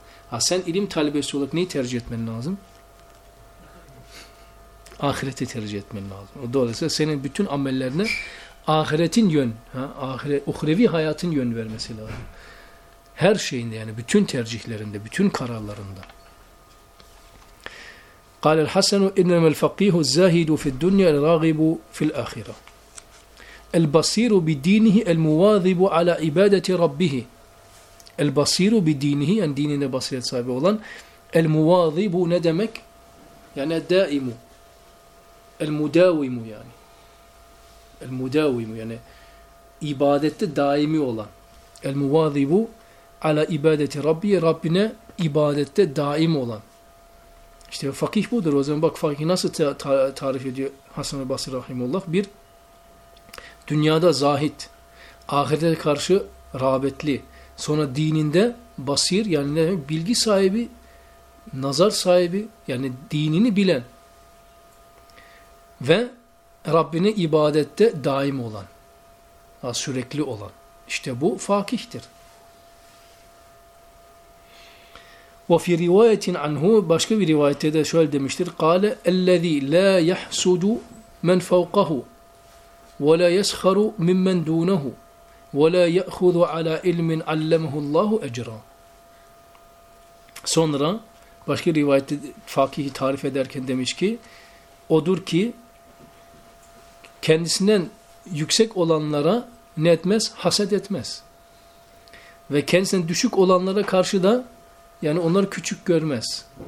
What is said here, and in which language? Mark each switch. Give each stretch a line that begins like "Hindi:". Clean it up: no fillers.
Turkish: Ha, sen ilim talebesi olarak neyi tercih etmen lazım? Ahireti tercih etmen lazım. Dolayısıyla senin bütün amellerine ahiretin yön, ha, ahiret, uhrevi hayatın yön vermesi lazım. Her şeyinde, yani bütün tercihlerinde, bütün kararlarında.
Arabic: قال الحسن إنما الفقيه الزاهد في الدنيا الراغب في الآخرة البصير بدينه المواظب على عبادة ربه البصير بدينه أن ديننا بصير صاحب olan المواظب
Turkish: ne demek yani
Arabic: daimu المداوم yani المداوم
Turkish: yani ibadette daimi olan
Arabic: المواظب على عبادة ربه
Turkish: Rabbine ibadette daim olan. İşte fakih budur. O zaman bak fakih nasıl tarif ediyor Hasan-ı Basri Rahimullah. Bir, dünyada zahit, ahirete karşı rağbetli, sonra dininde basir, yani bilgi sahibi, nazar sahibi, yani dinini bilen ve Rabbine ibadette daim olan, sürekli olan. İşte bu fakihtir.
Arabic: وفي رواية عنه
Turkish: başka bir rivayette de şöyle demiştir.
Arabic: قال الذي لا يحسد من فوقه ولا يسخر ممن دونه ولا يأخذ على علم علمه الله أجرا.
Turkish: Sonra başka rivayette fakihi tarif ederken demiş ki odur ki kendisinden yüksek olanlara ne etmez? Haset etmez. Ve kendisinden düşük olanlara karşı da, yani onları küçük görmez.